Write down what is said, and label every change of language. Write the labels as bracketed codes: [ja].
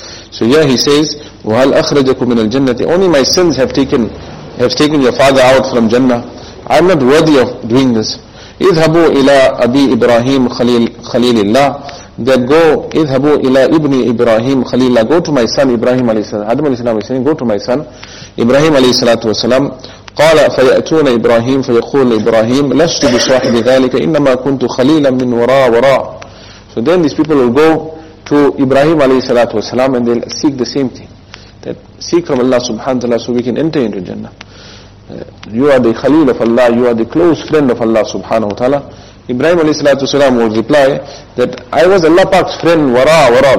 [en] So here he says, [ar] وَهَلْ أَخْرَجَكُمْ مِنَ الْجَنَّةِ. [en] Only my sins have taken your father out from Jannah. I'm not worthy of doing this. [ar] اِذْهَبُوا إِلَىٰ أَبِي إِبْرَاهِيمْ خَلِيلِ اللَّهِ. [en] That go, [ar] اِذْهَبُوا إِلَىٰ إِبْنِ إِبْرَاهِيمْ خَلِيلِ اللَّهِ. [en] Go to my son Ibrahim alayhi salam. Adam alayhi salam is saying, go to my son Ibrahim alayhi salatu wasalam. [ar] قال فيأتون إبراهيم فيقول إبراهيم لست بصاحب ذلك إنما كنت خليلا من وراء وراء. [en] So then these people will go to Ibrahim alayhi salatu wasalam and they'll seek the same thing. That seek from Allah subhanahu wa ta'ala so we can enter into Jannah. You are the Khalil of Allah, you are the close friend of Allah subhanahu wa ta'ala. Ibrahim alayhi salatu wasalam will reply that I was Allah Pak's friend wara wara.